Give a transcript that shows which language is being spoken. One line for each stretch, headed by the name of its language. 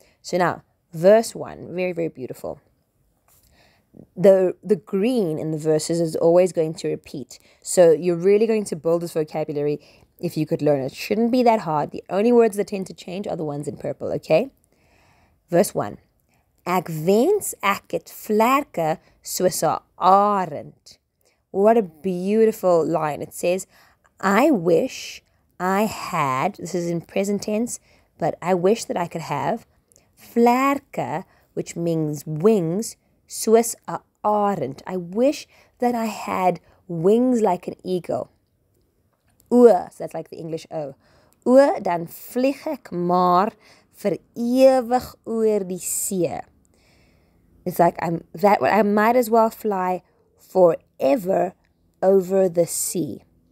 English: So now, verse one, very, very beautiful. The green in the verses is always going to repeat. So you're really going to build this vocabulary if you could learn it. Shouldn't be that hard. The only words that tend to change are the ones in purple, okay? Verse 1.
Afrikaans: Ek wens ek het vlerke soos 'n arend.
English: What a beautiful line. It says, I wish I had, this is in present tense, but I wish that I could have vlerke, which means wings,
Afrikaans: soos 'n arend.
English: I wish that I had wings like an eagle. Oe, so that's like the English O.
Afrikaans: Oe, dan vlieg ek maar vir ewig oor die see.
English: It's like I might as well fly forever over the sea.